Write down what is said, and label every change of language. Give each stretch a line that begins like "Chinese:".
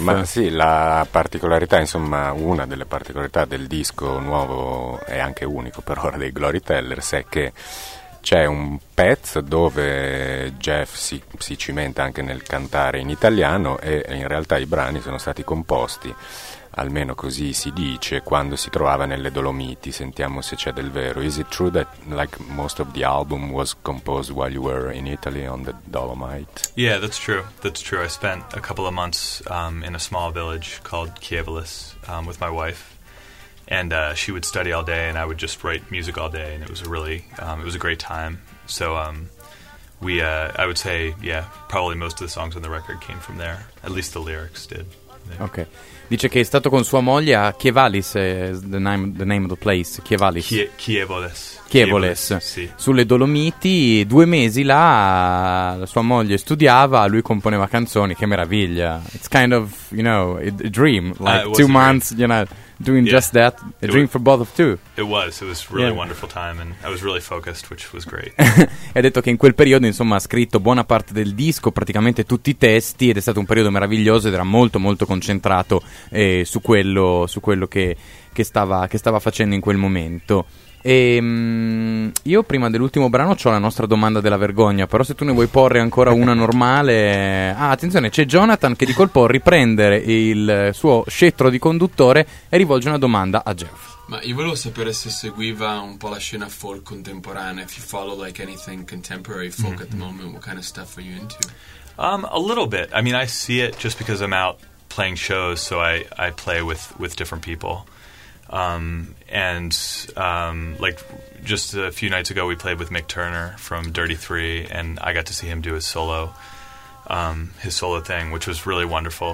Italian: Ma sì, la particolarità, insomma, una delle particolarità del disco nuovo e anche unico per ora dei Glory Tellers è che c'è un pezzo dove Geoff si cimenta anche nel cantare in italiano e in realtà i brani sono stati composti, almeno così si dice, quando si trovava nelle Dolomiti. Sentiamo se c'è del vero.
English: Is it true that like most of the album was composed while you were in Italy on the Dolomites? Yeah, that's true. That's true. I spent a couple of months in a small village called Chievalis with my wife, and she would study all day and I would just write music all day, and it was a really it was a great time. So I would say, yeah, probably most of the songs on the record came from there, at least the lyrics did.
Italian: Ok, dice che è stato con sua moglie a Chievalis,
English: the name of the place,
Italian: Chievalis. Chievalis, sì. Sulle Dolomiti, 2 mesi là, la sua moglie studiava, lui componeva canzoni, che meraviglia.
English: It's kind of, you know, a dream, like 2 months, you know, doing just that, a dream for both of two. It was really wonderful time and I was really focused, which was great.
Italian: E ha detto che in quel periodo, insomma, ha scritto buona parte del disco, praticamente tutti i testi, ed è stato un periodo meraviglioso ed era molto molto concentrato su quello che stava facendo in quel momento. E io prima dell'ultimo brano c'ho la nostra domanda della vergogna, però se tu ne vuoi porre ancora una normale. Ah, attenzione, c'è Jonathan che di colpo riprende il suo scettro di conduttore e rivolge una domanda a Geoff. Ma io volevo sapere se seguiva un po' la scena folk contemporanea.
English: If you follow like anything contemporary folk at the moment, what kind of stuff are you into? A little bit. I mean, I see it just because I'm out playing shows, so I play with different people. Like just a few nights ago we played with Mick Turner from Dirty Three and I got to see him do his solo thing, which was really wonderful.